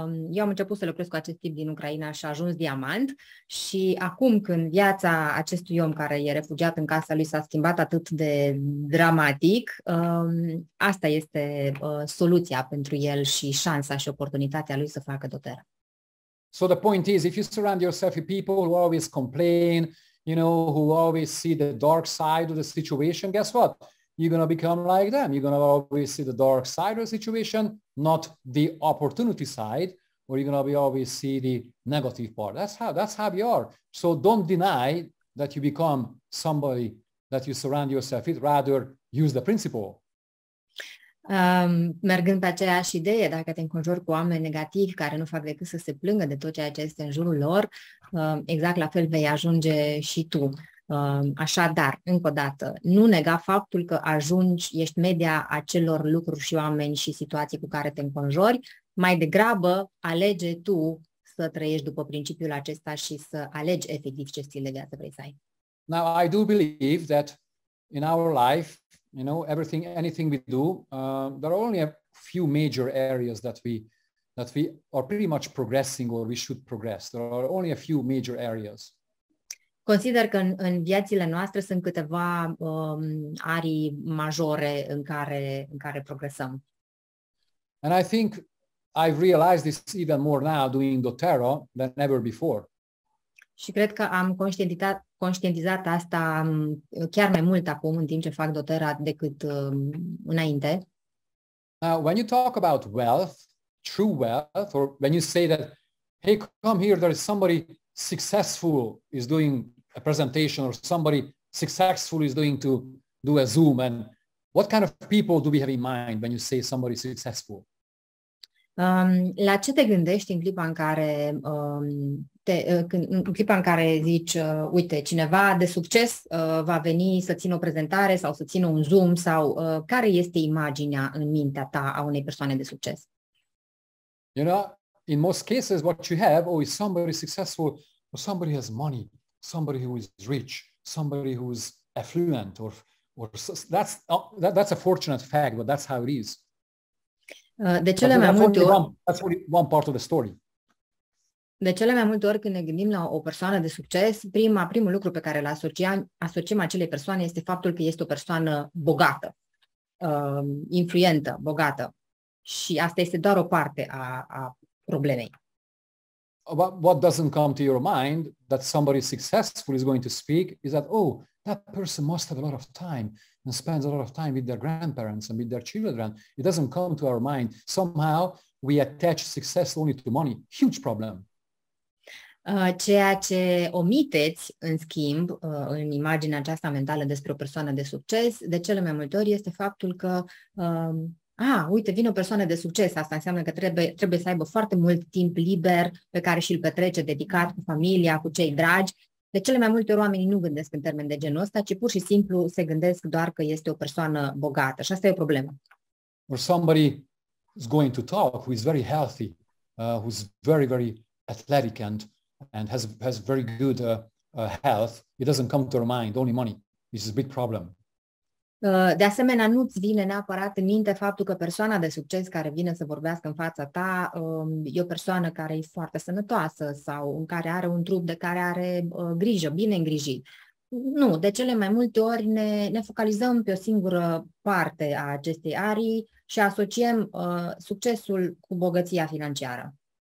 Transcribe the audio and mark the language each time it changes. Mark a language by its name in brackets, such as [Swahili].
[Romanian] Eu am început să lucrez cu acest tip din Ucraina și a ajuns diamant și acum când viața acestui om care e refugiat în casa lui s-a schimbat atât de dramatic, asta este soluția pentru el și șansa și oportunitatea lui să facă doTERRA. [English] So the point is, if you surround yourself with people who always complain, you know, who always see the dark side of the situation, guess what? You're going to become like them. You're going to always see the dark side of the situation, not the opportunity side, or you're going to be always see the negative part. That's how you are. So don't deny that you become somebody that you surround yourself with. Rather, use the principle. [Romanian] Mergând pe aceeași idee, dacă te înconjori cu oameni negativi care nu fac decât să se plângă de tot ceea ce este în jurul lor, exact la fel vei ajunge și tu. Așadar, încă o dată, nu nega faptul că ajungi, ești media acelor lucruri și oameni și situații cu care te înconjori. Mai degrabă, alege tu să trăiești după principiul acesta și să alegi efectiv ce stil de viață vrei să ai. [English] Now, I do believe that in our life, you know, anything we do, there are only a few major areas that we are pretty much progressing or we should progress. There are only a few major areas. [Romanian] Consider că în viețile noastre sunt câteva arii majore în care progresăm. [English] And I think I've realized this even more now doing doTERRA than ever before. [Romanian] Și cred că am conștientizat asta chiar mai mult acum în timp ce fac doTERRA decât înainte. [English] Now, when you talk about wealth, true wealth, or when you say that, hey, come here, there is somebody successful is doing a presentation, or somebody successful is going to do a Zoom, and what kind of people do we have in mind when you say somebody successful? [Romanian] La ce te gândești în clipa în care în clipa în care zici, uite, cineva de succes va veni să țină o prezentare sau să țină un Zoom sau care este imaginea în mintea ta a unei persoane de succes? [English] You know, in most cases what you have is somebody successful, or somebody has money, somebody who is rich, somebody who is affluent, that's a fortunate fact, but that's how it is. [Romanian] De cele mai multe ori, [English] that's only one part of the story. [Romanian] De cele mai multe ori când ne gândim la o persoană de succes, primul lucru pe care l-asociem acelei persoane este faptul că este o persoană bogată, influentă, bogată. Și asta este doar o parte a problemei. [English] What doesn't come to your mind that somebody successful is going to speak is that, oh, that person must have a lot of time and spends a lot of time with their grandparents and with their children. It doesn't come to our mind. Somehow we attach success only to money. Huge problem. [Romanian] Ceea ce omiteți, în schimb, în imaginea aceasta mentală despre o persoană de succes, de cele mai multe ori este faptul că, uite, vine o persoană de succes, asta înseamnă că trebuie să aibă foarte mult timp liber pe care și-l petrece dedicat cu familia, cu cei dragi. De cele mai multe ori oamenii nu gândesc în termeni de genul ăsta, ci pur și simplu se gândesc doar că este o persoană bogată și asta e o problemă. [English] Or somebody is going to talk who is very healthy, who's very, very athletic and has very good health, it doesn't come to our mind, only money. This is a big problem. [Romanian] De asemenea, nu-ți vine neapărat în minte faptul că persoana de succes care vine să vorbească în fața ta e o persoană care e foarte sănătoasă sau în care are un trup de care are grijă, bine îngrijit. Nu, de cele mai multe ori ne focalizăm pe o singură parte a acestei arii și asociem succesul cu bogăția financiară.